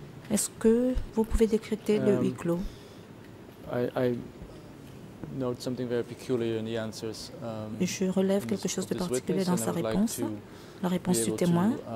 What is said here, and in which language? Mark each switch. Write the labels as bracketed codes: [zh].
[fr] Est-ce que vous pouvez décréter le huis clos? [en] I note something very peculiar in the answers. [fr] Je relève quelque chose de particulier dans sa réponse. La réponse du témoin.